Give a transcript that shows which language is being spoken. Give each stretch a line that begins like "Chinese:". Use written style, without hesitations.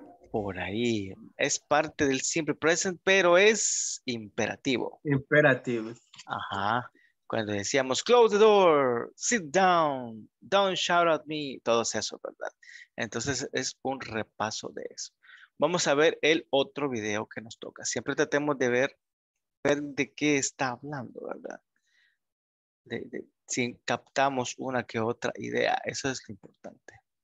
Spanish: Por ahí. Es parte del simple present, pero es imperativo. Imperativo. Ajá. Cuando decíamos,
English: close the door, sit down, don't shout at me.
Spanish: Todo eso, ¿verdad? Entonces, es un repaso de eso. Vamos a ver el otro video que nos toca. Siempre tratemos de ver de qué está hablando, ¿verdad? Si captamos una que otra idea, eso es lo importante.